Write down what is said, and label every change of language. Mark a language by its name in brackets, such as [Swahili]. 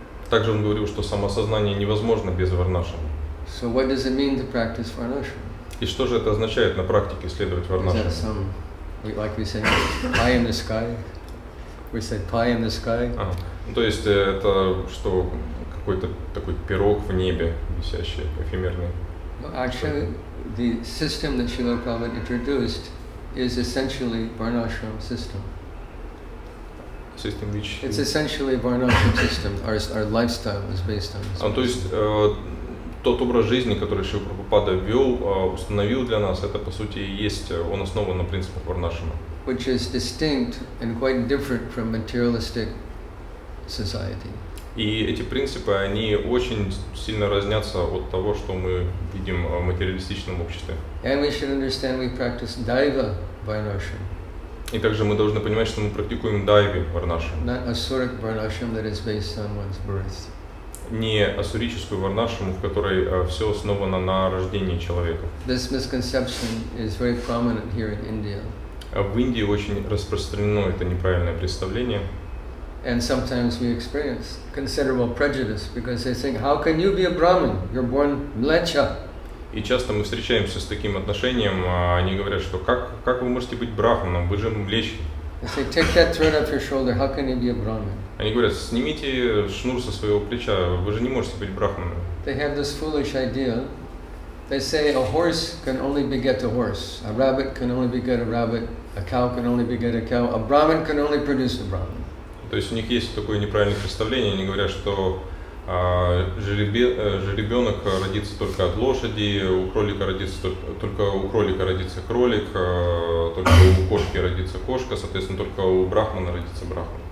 [Russian] Также он говорил, что самосознание невозможно без Варнашрама. [English] So what does it mean to practice Varnashrama? [Russian] И что же это означает на практике следовать Варнашраме? [English] Is that some, like we say, pie in the sky? We said pie in the sky. [Russian] То есть это что, какой-то такой пирог в небе, висящий, эфемерный? [English] Well, actually, the system that Srila Prabhupada introduced is essentially Varnashrama system. System, which it's essentially Varnashram system. Our lifestyle is based on this. [Russian] То есть тот образ жизни, который Шрила Прабхупада ввел, установил для нас, это по сути и есть, он основан на принципах Варнашрама. [English] Which is distinct and quite different from materialistic society. [Russian] И эти принципы, они очень сильно разнятся от того, что мы видим в материалистичном обществе. [English] And we should understand we practice Daiva Varnashram. [Russian] И также мы должны понимать, что мы практикуем дайви варнашрам. [English] Not asuric varnashram that is based on one's birth. [Russian] Не асурическую варнашраму, в которой все основано на рождении человека. [English] This misconception is very prominent here in India. [Russian] В Индии очень распространено это неправильное представление. [English] And sometimes we experience considerable prejudice because they think, how can you be a Brahmin? You're born mlecha. [Russian] И часто мы встречаемся с таким отношением, они говорят, что как вы можете быть брахманом, вы же млечный. Они говорят, снимите шнур со своего плеча, вы же не можете быть брахманом. То есть у них есть такое неправильное представление, они говорят, что жеребенок родится только от лошади, у кролика родится кролик, только у кошки родится кошка, соответственно, только у брахмана родится брахман.